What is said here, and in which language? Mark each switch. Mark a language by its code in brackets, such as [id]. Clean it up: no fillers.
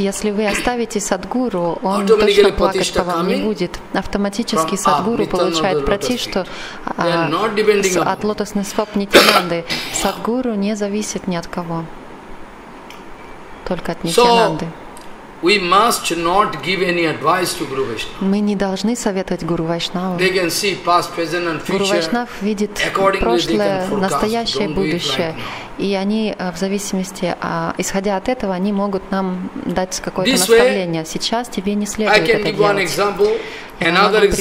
[ru] Если вы оставите садгуру, он точно плакать по вам не будет. Автоматически садгуру получает пратишту от лотосных стоп Нитьянанды. Садгуру не зависит ни от кого, только от Нитьянанды. [en] We must not give any advice to Guru Vaishnava. [ru] Мы не должны советовать Гуру Вайшнаву. [en] They can see past, present and future. [ru] Гуру Вайшнав видит прошлое, настоящее, будущее. И они в зависимости, исходя от этого, они могут нам дать какое-то наставление. Сейчас тебе не следует это делать. [en] I can give one example. Another example.